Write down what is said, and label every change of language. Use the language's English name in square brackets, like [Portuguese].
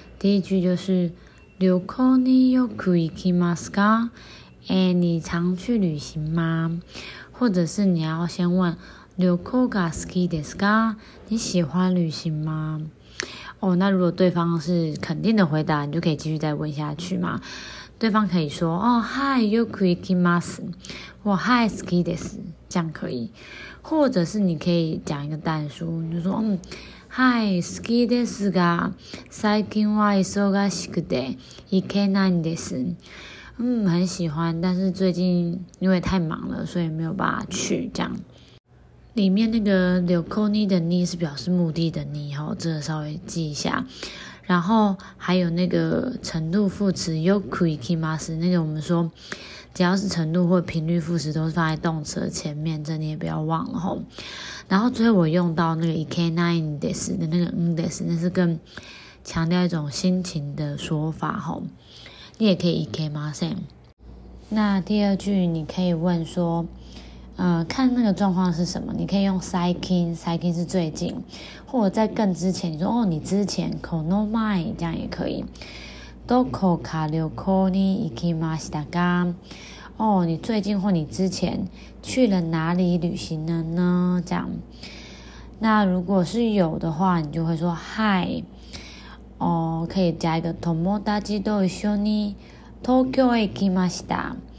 [Chinese] 第一句就是 [Japanese] 旅行によく行きますか？ [Chinese] 你常去旅行吗？或者是你要先问 [Japanese] 旅行が好きですか？ [Chinese] 你喜欢旅行吗？哦，那如果对方是肯定的回答，你就可以继续再问下去嘛。对方可以说哦，嗨， [Japanese] よく行きます。 [Chinese] 我嗨，好きです。这样可以。或者是你可以讲一个单数，你就说嗯， [Japanese] 嗨，好きですが、最近は忙しくて行けないんです。 [Chinese] 嗯，很喜欢，但是最近因为太忙了，所以没有办法去这样。里面那个旅行に的に是表示目的的に哦，这个稍微记一下。然后还有那个程度副词よく行きます，那个我们说只要是程度或频率副词都是放在动词前面，这你也不要忘了哦。然后最后我用到那个行けないんです的那个んです，那是更强调一种心情的说法哦。你也可以行けません。那第二句你可以问说看那个状况是什么，你可以用最近，最近是最近，或者在更之前，你说哦，你之前この前这样也可以。 [Japanese] どこか旅行に行きましたか？ [Chinese] 哦，你最近或你之前去了哪里旅行了呢？这样，那如果是有的话，你就会说嗨，哦，可以加一个 [Japanese] 友達と一緒に東京へ行きました。